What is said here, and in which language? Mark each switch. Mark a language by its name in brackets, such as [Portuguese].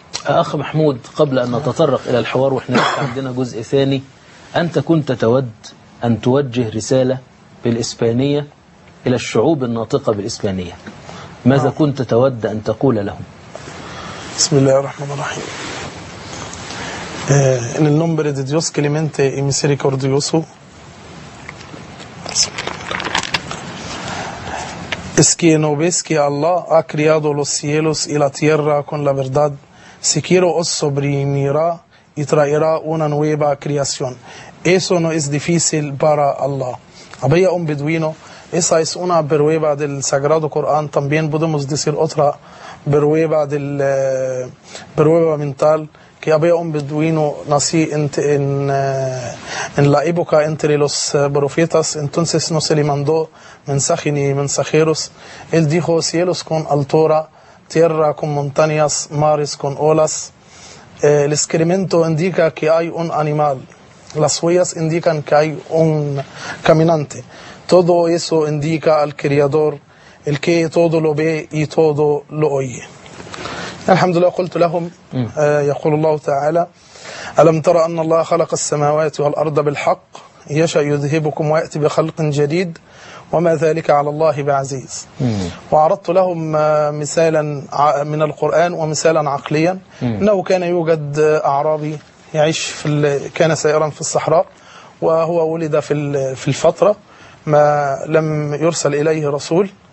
[Arabic] أخ محمود، قبل أن نتطرق إلى الحوار وإحنا عندنا جزء ثاني، أنت كنت تود أن توجه رسالة بالإسبانية إلى الشعوب الناطقة بالإسبانية، ماذا كنت تود أن تقول لهم؟ بسم الله الرحمن الرحيم. [Spanish] En el nombre de Dios clemente y misericordioso. Es que no ves que Allah ha creado los cielos y la tierra con la verdad. Si quiero os sobrevenirá y traerá una nueva creación. Eso no es difícil para Allah. Había un beduino. Esa es una prueba del Sagrado Corán. También podemos decir otra prueba del prueba mental. Que había un beduino nací en la época entre los profetas, entonces no se le mandó mensaje ni mensajeros. Él dijo: cielos con altura, tierra con montañas, mares con olas. El excremento indica que hay un animal, las huellas indican que hay un caminante. Todo eso indica al Creador, el que todo lo ve y todo lo oye. [Arabic] الحمد لله قلت لهم يقول الله تعالى ألم ترى أن الله خلق السماوات والأرض بالحق يشأ يذهبكم ويأتي بخلق جديد وما ذلك على الله بعزيز وعرضت لهم مثالا من القرآن ومثالا عقليا أنه كان يوجد أعرابي يعيش في كان سائرا في الصحراء وهو ولد في الفترة ما لم يرسل إليه رسول